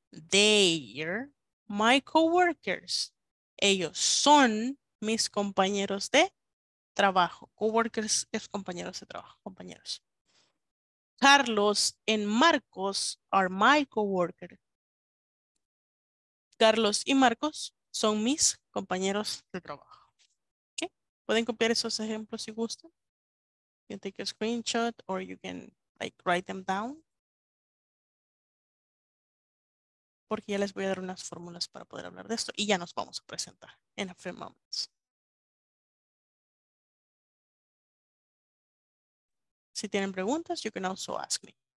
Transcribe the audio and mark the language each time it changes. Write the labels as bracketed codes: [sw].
[en] They're my coworkers. [es] Ellos son mis compañeros de trabajo. Coworkers es compañeros de trabajo, compañeros. [en] Carlos and Marcos are my coworkers. [es] Carlos y Marcos son mis compañeros de trabajo. ¿Okay? Pueden copiar esos ejemplos si gustan. [en] You can take a screenshot or you can like write them down. [es] Porque ya les voy a dar unas fórmulas para poder hablar de esto y ya nos vamos a presentar en [en] a few moments. [es] Si tienen preguntas, [en] you can also ask me.